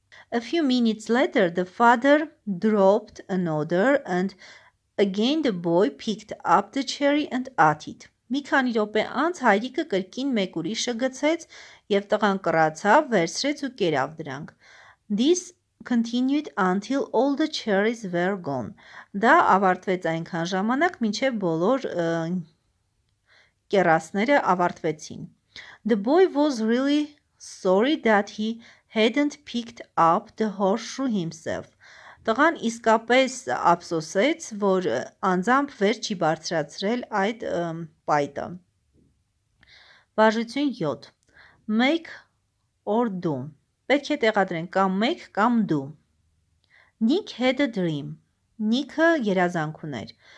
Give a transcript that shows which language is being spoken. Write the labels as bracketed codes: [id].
[en] A few minutes later the father dropped another and again the boy picked up the cherry and ate it. [hy] Մի քանի րոպե անց հայրիկը կրկին մեկ ուրիշը գցեց եւ տղան կրացավ, վերցրեց ու կերավ դրանք. [en] This continued until all the cherries were gone. [hy] Դա ավարտվեց այնքան ժամանակ, մինչեւ բոլոր կերասները ավարտվեցին. [en] The boy was really sorry that he hadn't picked up the horseshoe himself. [hy] Տղան իսկապես ափսոսեց, որ անձամբ վեր չի բարձրացրել այդ պայտը. Բաժություն 7. [en] Make or do. [hy] Պետք է տեղադրենք կամ make կամ do. [en] Nick had a dream. [hy] Նիքը երազանք ուներ.